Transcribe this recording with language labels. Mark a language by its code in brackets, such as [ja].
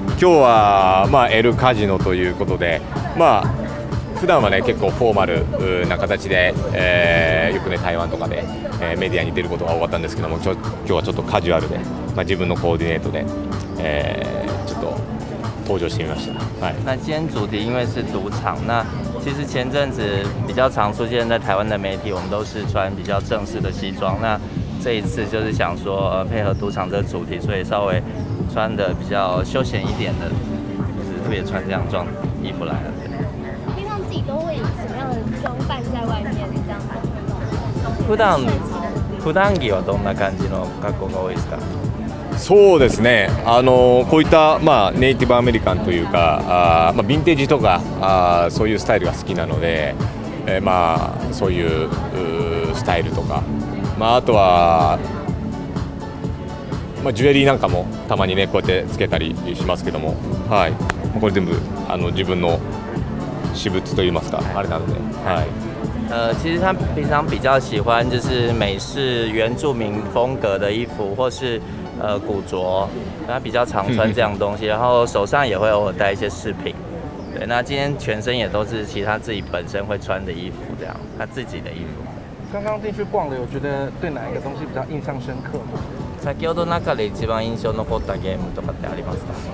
[ja] 今日はまあ L カジノということで、まあ普段はね結構フォーマルな形で、よくね台湾とかで、メディアに出ることが多かったんですけども、今日はちょっとカジュアルで、まあ自分のコーディネートで、ちょっと。登場してみました。 [zh] 那今天主题因为是赌场，那其实前阵子比较常出现在台湾的媒体，我们都是穿比较正式的西装。那这一次就是想说，配合赌场这个主题，所以稍微穿的比较休闲一点的，就是特别穿这样装衣服来了。平常自己都会什么样的装扮在外面？这样 [ja] 普段着はどんな感じの格好が多いですか？そうですね。こういった、まあ、ネイティブアメリカンというか、まあ、ヴィンテージとか、そういうスタイルが好きなので、まあ、そういうスタイルとか、まあ、あとは、まあ、ジュエリーなんかもたまにね、こうやってつけたりしますけども、はい、これ全部自分の私物といいますか、あれなので、はい。 [zh] 其实他平常比较喜欢就是美式原住民风格的衣服，或是古着，他比较常穿这样东西，然后手上也会偶尔带一些饰品。对，那今天全身也都是其他自己本身会穿的衣服，这样他自己的衣服。刚刚进去逛了，有觉得对哪一个东西比较印象深刻吗？ [ja] 先ほど中で一番印象残ったゲームとかってありますか？